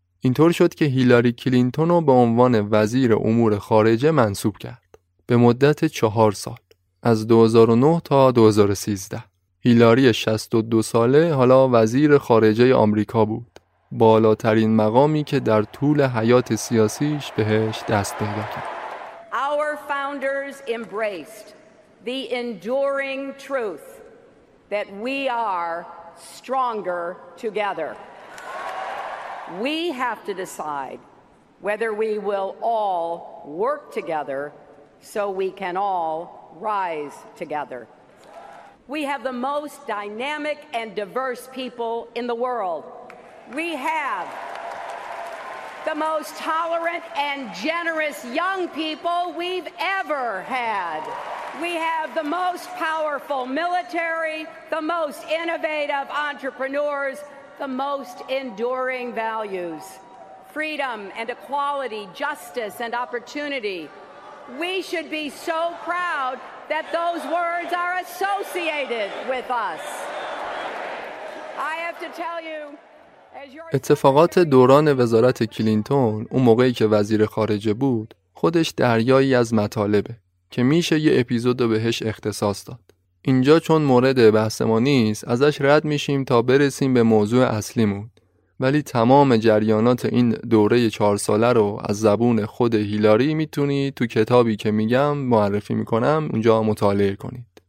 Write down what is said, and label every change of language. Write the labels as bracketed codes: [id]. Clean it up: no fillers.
[fa] اینطور شد که هیلاری کلینتون رو به عنوان وزیر امور خارجه منصوب کرد. به مدت 4 سال، از 2009 تا 2013. هیلاری 62 ساله حالا وزیر خارجه آمریکا بود. بالاترین مقامی که در طول حیات سیاسیش بهش دست پیدا کرد. [en] Our founders embraced the enduring truth that we are stronger together. We have to decide whether we will all work together so we can all rise together. We have the most dynamic and diverse people in the world. We have the most tolerant and generous young people we've ever had. We have the most powerful military, the most innovative entrepreneurs, the most enduring values. Freedom and equality, justice and opportunity, We should be so proud that those words are associated with us. I have to tell you, [fa] اتفاقات دوران وزارت کلینتون اون موقعی که وزیر خارجه بود خودش دریایی از مطالبه که میشه یه اپیزود رو بهش اختصاص داد. اینجا چون مورد بحث ما نیست ازش رد میشیم تا برسیم به موضوع اصلیمون، ولی تمام جریانات این دوره 4 ساله رو از زبون خود هیلاری میتونی تو کتابی که میگم معرفی میکنم اونجا مطالعه کنید.